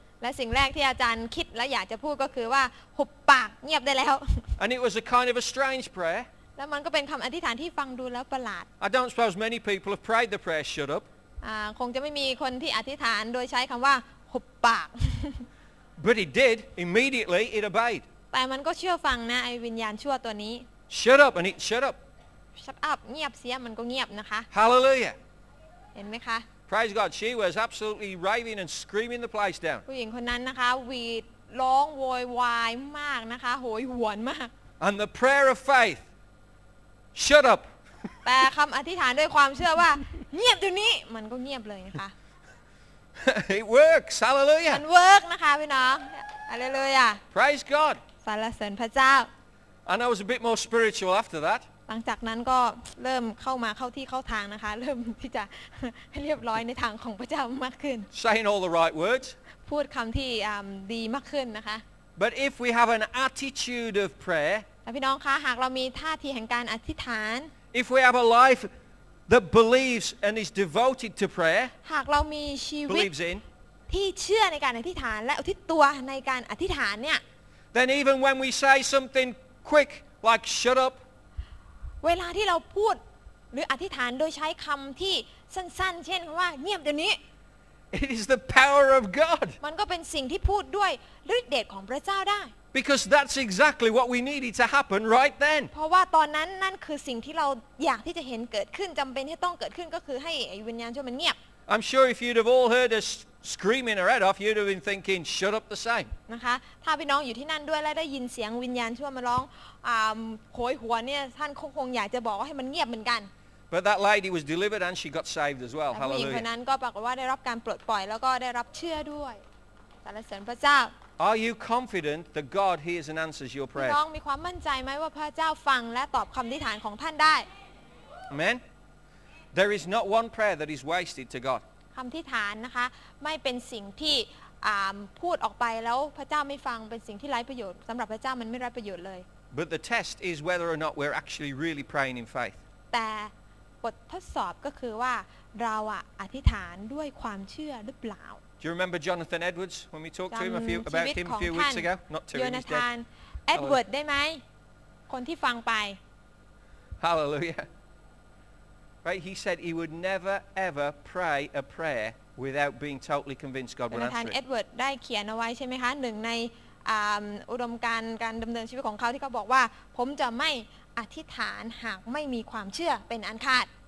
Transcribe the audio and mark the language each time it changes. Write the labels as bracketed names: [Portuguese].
[Thai] และสิ่งแรกที่อาจารย์คิดและอยากจะพูดก็คือว่าหุบปากเงียบได้แล้ว [English] And it was a kind of a strange prayer [Thai] แล้วมันก็เป็นคำอธิษฐานที่ฟังดูแล้วประหลาด [English] I don't suppose many people have prayed the prayer shut up [Thai] คงจะไม่มีคนที่อธิษฐานโดยใช้คำว่าหุบปาก [English] But it did immediately it obeyed [Thai] แต่มันก็เชื่อฟังนะไอ้วิญญาณชั่วตัวนี้ [English] Shut up, and it shut up. Shut up, [Thai] เงียบเสียมันก็เงียบนะคะ [English] Hallelujah. [Thai] เห็นไหมคะ [English] Praise God, she was absolutely raving and screaming the place down. [Thai] ผู้หญิงคนนั้นนะคะวีดร้องโวยวายมากนะคะโหยหวนมาก [English] And the prayer of faith. Shut up. [Thai] แต่คำอธิษฐานด้วยความเชื่อว่าเงียบตรงนี้มันก็เงียบเลยนะคะ [English] It works. Hallelujah. [Thai] มัน work นะคะพี่น้อง Hallelujah. [English] Praise God. [Thai] สรรเสริญพระเจ้า [English] And I was a bit more spiritual after that. [Thai] หลังจากนั้นก็เริ่มเข้ามาเข้าที่เข้าทางนะคะเริ่มที่จะให้เรียบร้อยในทางของพระเจ้ามากขึ้น [English] Saying all the right words. [Thai] พูดคำที่ดีมากขึ้นนะคะ [English] But if we have an attitude of prayer. [Thai] พี่น้องคะหากเรามีท่าทีแห่งการอธิษฐาน [English] If we have a life that believes and is devoted to prayer. [Thai] หากเรามีชีวิ ตที่เชื่อในการอธิษฐานและอุทิศตัวในการอธิษฐานเนี่ย [English] Then even when we say somethingQuick, like shut up. [Thai] เวลาที่เราพูดหรืออธิษฐานโดยใช้คำที่สั้นๆเช่นว่าเงียบเดี๋ยวนี้ [English] It is the power of God. [Thai] มันก็เป็นสิ่งที่พูดด้วยฤทธิ์เดชของพระเจ้าได้ [English] Because that's exactly what we needed to happen right then. [Thai] เพราะว่าตอนนั้นนั่นคือสิ่งที่เราอยากที่จะเห็นเกิดขึ้นจำเป็นที่ต้องเกิดขึ้นก็คือให้วิญญาณชั่วมันเงียบ [English] I'm sure if you'd have all heard us. Screaming her head off, you'd have been thinking, "Shut up!" The same. [Thai] นะคะถ้าพี่น้องอยู่ที่นั่นด้วยและได้ยินเสียงวิญญาณชั่วมาร้องโหยหัวเนี่ยท่านคงอยากจะบอกให้มันเงียบเหมือนกัน [English] But that lady was delivered and she got saved as well. Hallelujah. [Thai] ผู้หญิงคนนั้นก็บอกว่าได้รับการปลดปล่อยแล้วก็ได้รับเชื่อด้วยสรรเสริญพระเจ้า [English] Are you confident that God hears and answers your prayer? [Thai] พี่น้องมีความมั่นใจไหมว่าพระเจ้าฟังและตอบคำอธิษฐานของท่านได้ [English] Amen. There is not one prayer that is wasted to God. [Thai] คำอธิษฐานนะคะไม่เป็นสิ่งที่พูดออกไปแล้วพระเจ้าไม่ฟังเป็นสิ่งที่ไร้ประโยชน์สำหรับพระเจ้ามันไม่ไร้ประโยชน์เลย [English] But the test is whether or not we're actually really praying in faith [Thai] แต่บททดสอบก็คือว่าเราอธิษฐานด้วยความเชื่อหรือเปล่า [English] Do you remember Jonathan Edwards when we talked to him about him a few weeks ago not to him he's dead [Thai] Edward ได้ไหมคนที่ฟังไป [English] HallelujahRight, he said he would never ever pray a prayer without being totally convinced God would answer it. [Thai] Edward ได้เขียนเอาไว้ใช่ไหมคะหนึ่งในอุดมการณ์การดำเนินชีวิตของเขาที่เขาบอกว่าผมจะไม่อธิษฐานหากไม่มีความเชื่อเป็นอันขาด